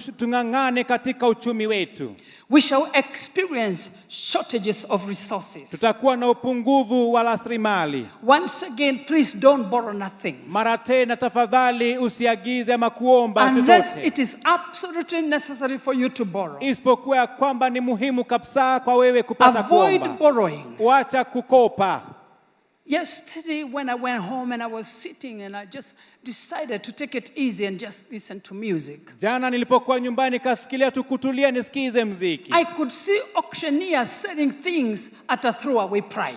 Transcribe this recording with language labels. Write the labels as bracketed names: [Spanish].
[Swahili] tungangane katika uchumi wetu. [English] We shall experience shortages of resources. [Swahili] Tutakuwa na upungufu wa rasilimali. [English] Once again, please don't borrow nothing. [Swahili] Mara tena tafadhali usiagize ama kuomba chochote. [English] Unless it is absolutely necessary for you to borrow. [Swahili] Isipokuwa kwamba ni muhimu kabisa kwa wewe kupata kuomba. [English] Avoid borrowing. [Swahili] Wacha kukopa. [English] Yesterday when I went home and I was sitting and I just decided to take it easy and just listen to music. [Swahili] Jana nilipokuwa nyumbani kafikiria tu kutulia nisikize muziki. [English] I could see auctioneers selling things at a throwaway price.